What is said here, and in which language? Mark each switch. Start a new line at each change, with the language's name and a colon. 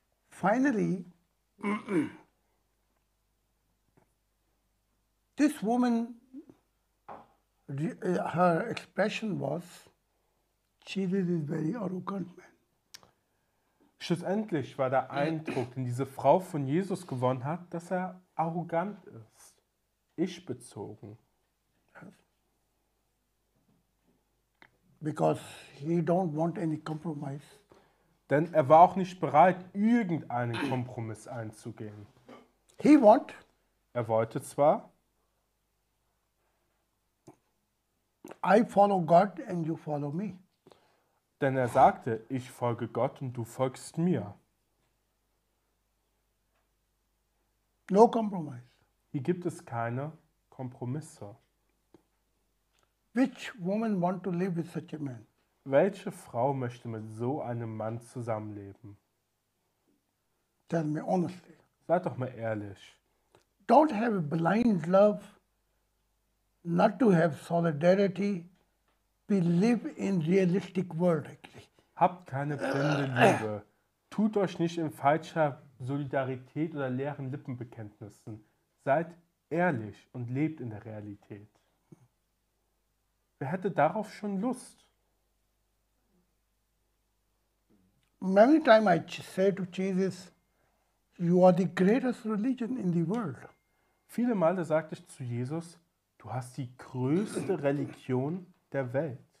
English: Finally, this woman, her expression was, she did this very arrogant man.
German: Schlussendlich war der Eindruck, den diese Frau von Jesus gewonnen hat, dass er arrogant ist, ich-bezogen.
English: Because he don't want any compromise.
German: Denn er war auch nicht bereit, irgendeinen Kompromiss einzugehen.
English: He want.
German: Er wollte zwar.
English: I follow God and you follow me.
German: Denn er sagte, ich folge Gott und du folgst mir.
English: No compromise.
German: Hier gibt es keine Kompromisse.
English: Which woman want to live with such a man?
German: Welche Frau möchte mit so einem Mann zusammenleben?
English: Tell me honestly.
German: Sei doch mal ehrlich.
English: Don't have a blind love, not to have solidarity, we live in realistic world actually.
German: Habt keine blinde Liebe. Tut euch nicht in falscher Solidarität oder leeren Lippenbekenntnissen. Seid ehrlich und lebt in der Realität. Wer hätte darauf schon Lust?
English: Many time I say to Jesus, you are the greatest religion in the world.
German: Viele Male sagte ich zu Jesus, du hast die größte Religion der Welt.